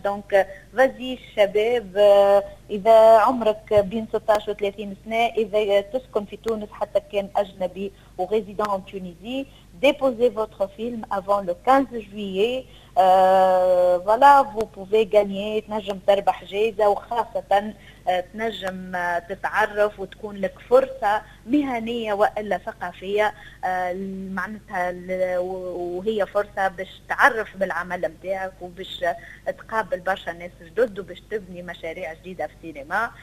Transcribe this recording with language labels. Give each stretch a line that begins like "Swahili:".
Arabic: دونك فازي الشباب، اذا عمرك بين 16 و 30 سنه، اذا تسكن في تونس حتى كان اجنبي
French: ou résident en Tunisie, déposez votre film avant le 15 juillet. Voilà, vous pouvez gagner.
Arabic: تنجم تربح جائزة وخاصة تنجم تتعرف وتكون لك فرصة مهنية وإلا ثقافية معناتها وهي فرصة باش تعرف بالعمل متاعك وباش تقابل برشا ناس جدد وباش تبني مشاريع جديدة في السينما.